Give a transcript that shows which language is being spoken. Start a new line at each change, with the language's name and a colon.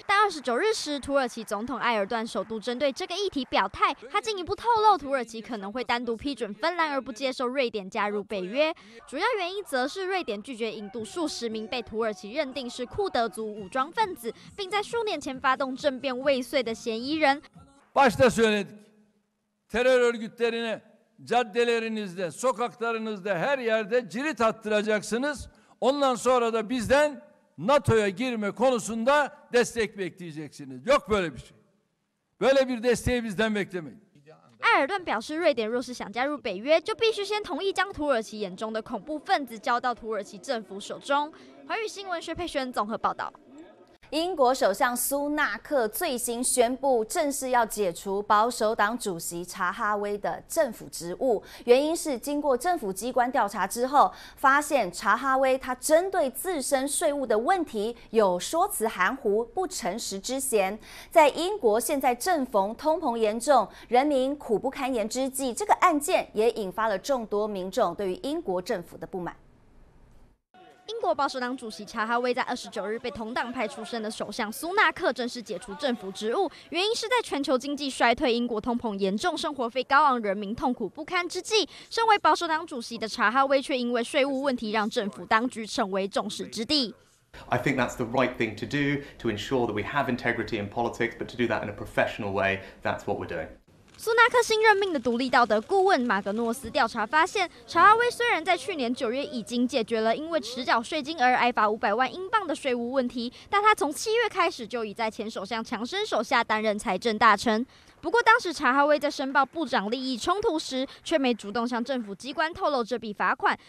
Chinese: 但29日时，土耳其总统埃尔段首度针对这个议题表态，他进一步透露土耳其可能会单独批准芬兰而不接受瑞典加入北约，主要原因则是瑞典拒绝引渡数十名被土耳其认定是库德族武装分子，并在数年前发动政变未遂的嫌疑人。
Turkish: Başta söyledik, terör örgütlerine caddelerinizde, sokaklarınızda, her yerde cirit attıracaksınız. Ondan sonra da bizden NATO'ya girme konusunda destek bekleyeceksiniz. Yok böyle bir şey. Böyle bir desteği bizden beklemeyin.
Chinese: 埃尔顿表示，瑞典若是想加入北约，就必须先同意将土耳其眼中的恐怖分子交到土耳其政府手中。华语新闻薛佩轩综合报道。英国首相苏纳克最新宣布，正式要解除保守党主席查哈威的政府职务，原因是经过政府机关调查之后，发现查哈威他针对自身税务的问题有说辞含糊、不诚实之嫌。在英国现在正逢通膨严重、人民苦不堪言之际，这个案件也引发了众多民众对于英国政府的不满。英国保守党主席查哈威在29日被同党派出身的首相苏纳克正式解除政府职务，原因是在全球经济衰退、英国通膨严重、生活费高昂、人民痛苦不堪之际，身为保守党主席的查哈威却因为税务问题让政府当局成为众矢之的。
English: I think that's the right thing to do to ensure that we have integrity in politics, but to do that in a professional way, that's what we're doing.
Chinese: 苏纳克新任命的独立道德顾问马格诺斯调查发现，查哈威虽然在去年九月已经解决了因为迟缴税金而挨罚500万英镑的税务问题，但他从七月开始就已在前首相强生手下担任财政大臣。不过，当时查哈威在申报部长利益冲突时，却没主动向政府机关透露这笔罚款。